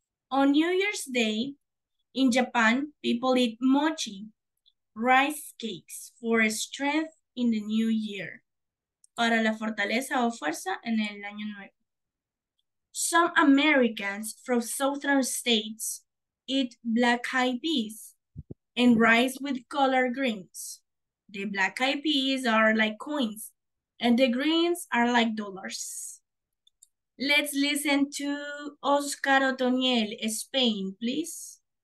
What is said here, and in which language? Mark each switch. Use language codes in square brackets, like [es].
[en] On New Year's Day, in Japan, people eat mochi, rice cakes, for strength in the new year. [es] Para la fortaleza o fuerza en el año nuevo. [en] Some Americans from southern states eat black-eyed peas and rice with collard greens. The black-eyed peas are like coins and the greens are like dollars. Let's listen to Oscar Otoniel, Spain, please.